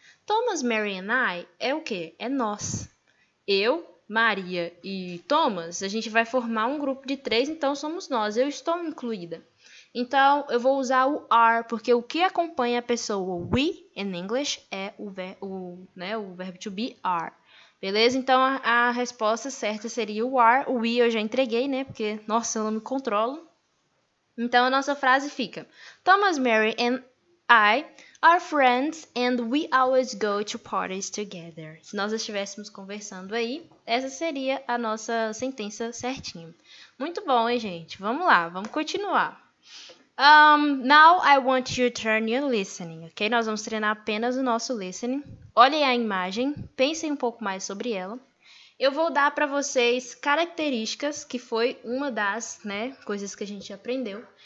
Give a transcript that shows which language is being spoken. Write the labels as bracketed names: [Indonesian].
[English] Thomas, Mary and I [Portuguese] é o quê? É nós. Eu, Maria e Thomas, a gente vai formar um grupo de três, então somos nós, eu estou incluída. Então, eu vou usar o are, porque o que acompanha a pessoa we [English] in English [Portuguese] é o verbo to be are. Beleza? Então, a resposta certa seria o are. O we eu já entreguei, né? Porque, nossa, eu não me controlo. Então, a nossa frase fica: [English] Thomas, Mary and I are friends and we always go to parties together. [Portuguese] Se nós estivéssemos conversando aí, essa seria a nossa sentença certinha. Muito bom, hein, gente? Vamos lá, vamos continuar. [English] Now I want you to turn your listening, ok? [Portuguese] Nós vamos treinar apenas o nosso listening. olhem a imagem, pensem um pouco mais sobre ela. Eu vou dar para vocês características, que foi uma das, né, coisas que a gente aprendeu.